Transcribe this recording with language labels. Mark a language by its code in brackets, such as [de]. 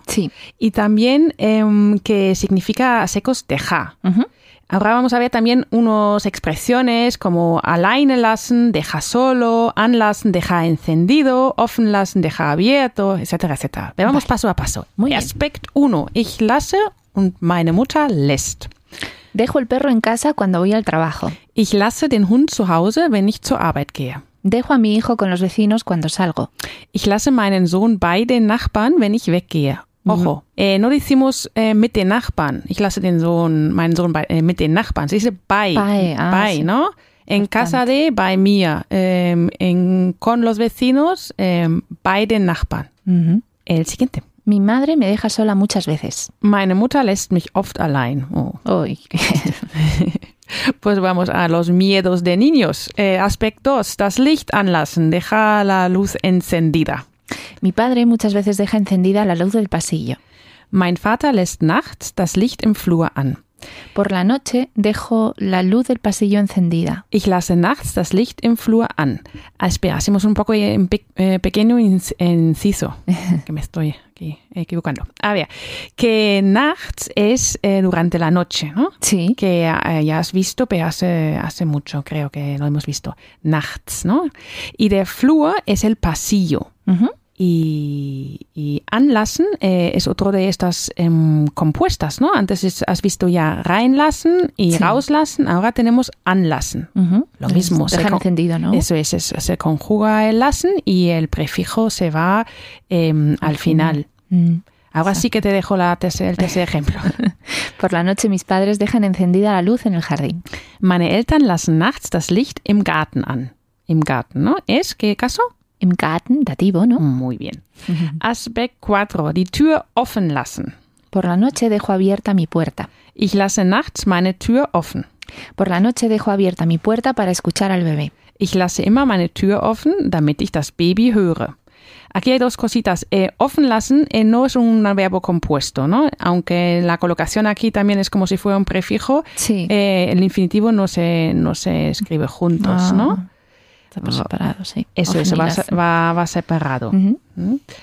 [es] Sí. Y también que significa a secos dejar. Uh-huh. Ahora vamos a ver también unas expresiones como alleine lassen, deja solo, anlassen, deja encendido, offen lassen, deja abierto, etcétera, etcétera. Veamos paso a paso. Muy Aspect 1. [de] Ich lasse und meine Mutter lässt. [es] Dejo el perro en casa cuando voy al trabajo. [de] Ich lasse den Hund zu Hause, wenn ich zur Arbeit gehe. [es] Dejo a mi hijo con los vecinos cuando salgo. [de] Ich lasse meinen Sohn bei den Nachbarn, wenn ich weggehe. [es] Ojo, no decimos [de] mit den Nachbarn. Ich lasse den Sohn, meinen Sohn bei, mit den Nachbarn. [es] Se dice bei. [de] Bei, bei, [es] sí. ¿No? En bastante. Casa de, [de] bei mir. [es] Con los vecinos, [de] bei den Nachbarn. [es] Uh-huh. El siguiente. Mi madre me deja sola muchas veces. [de] Meine Mutter lässt mich oft allein. [es] Oh. Uy. Pues vamos a los miedos de niños. Aspect 2. [de] Das Licht anlassen. [es] Deja la luz encendida. Mi padre muchas veces deja encendida la luz del pasillo. [de] Mein Vater lässt nachts das Licht im Flur an. [es] Por la noche dejo la luz del pasillo encendida. [de] Ich lasse nachts das Licht im Flur an. [es] Espera, hacemos un poco pequeño inciso. Que me estoy aquí equivocando. A ver, que nachts es durante la noche, ¿no? Sí. Que ya has visto, pero hace mucho, creo que lo hemos visto. Nachts, ¿no? Y der Flur es el pasillo. Uh-huh. Y anlassen es otro de estas compuestas, ¿no? Antes has visto ya reinlassen y sí. Rauslassen, ahora tenemos anlassen. Uh-huh. Lo mismo. Deja encendido, ¿no? Eso es, se conjuga el lassen y el prefijo se va al final. Uh-huh. Ahora sí que te dejo el tercer ejemplo. Por la noche mis padres dejan encendida la luz en el jardín. [de] Meine Eltern lassen nachts das Licht im Garten an. Im Garten, [es] ¿no? ¿Es qué caso? [de] Im Garten, [es] dativo, ¿no? Muy bien. [de] Uh-huh. Aspect 4. Die Tür offen lassen. [es] Por la noche dejo abierta mi puerta. [de] Ich lasse nachts meine Tür offen. [es] Por la noche dejo abierta mi puerta para escuchar al bebé. [de] Ich lasse immer meine Tür offen, damit ich das Baby höre. [es] Aquí hay dos cositas. Offen lassen no es un verbo compuesto, ¿no? Aunque la colocación aquí también es como si fuera un prefijo. Sí. El infinitivo no se escribe juntos, ¿no? Separado, sí. Eso es, va separado. Uh-huh. ¿Mm?